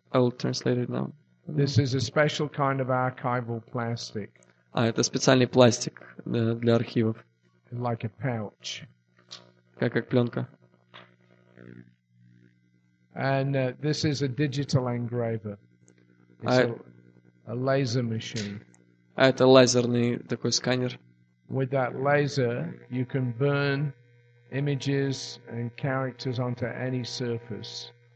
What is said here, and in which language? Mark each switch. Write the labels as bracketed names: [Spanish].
[English] I'll translate it now. This is a special kind of archival plastic. [Russian] А это специальный пластик для архивов. [English] Like a pouch. [Russian] Как пленка. [English] And this is a digital engraver. It's a laser machine. [Russian] А это лазерный такой сканер. [English] With that laser, you can burn images and characters onto any surface.